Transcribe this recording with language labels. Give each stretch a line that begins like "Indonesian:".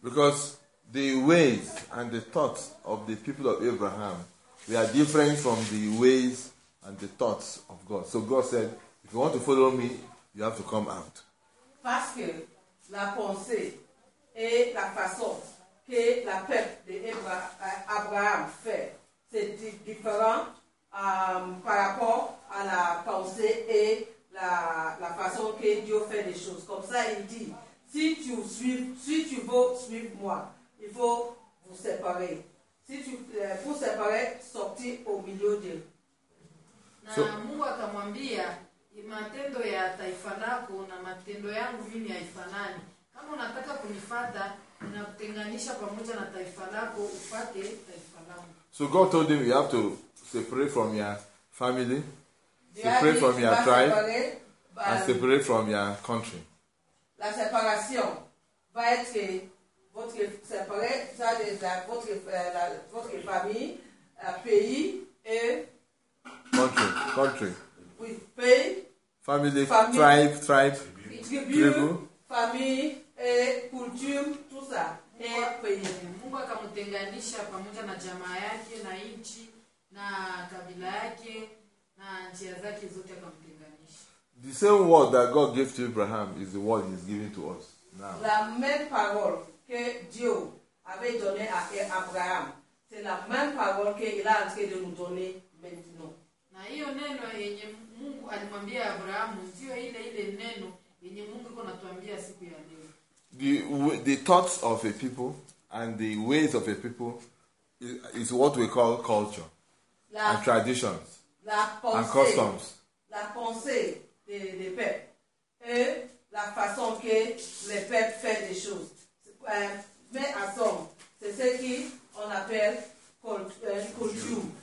English: Because the ways and the thoughts of the people of Abraham were different from the ways and the thoughts of God. So God said, if you want to follow me, you have to come out.
French: Parce que la pensée et la façon que la peuple de Abraham fait, c'est différent par rapport à la pensée et la façon que Dieu fait les choses. Comme ça, il dit, si tu veux suivre moi, il faut vous séparer. Si tu vous séparer, sortir au milieu de
Swahili: Mungu akamwambia, matendo ya taifa lako na matendo yangu mimi haifanani. Kama unataka kunifuata, ninakutenganisha pamoja na taifa lako ufuate taifa langu.
English: So God told him, you have to separate from your family, separate from your tribe, and separate from your country.
French: La séparation va être votre séparé, ça veut dire votre famille, pays et
English: country.
French: Oui, pays,
English: family, tribe,
French: tribu, famille et culture, tout ça et pays.
Swahili: kumtenganisha pamoja na jamaa yake na nchi na kabila yake na njia zake zote akamtenganisha.
English: The same word that God gave to Abraham is the word he's giving to us now.
French: La même parole que Dieu avait donné à Abraham, c'est la même parole qu'il a en train de nous donner maintenant.
Swahili: Na hiyo neno yenye Mungu alimwambia Abraham sio ile ile neno yenye Mungu iko natuambia siku ya leo.
English: The thoughts of a people and the ways of a people is what we call culture and traditions and customs.
French: La pensée des peuples et la façon que les peuples font des choses. Mais en somme, c'est ce qu'on appelle culture.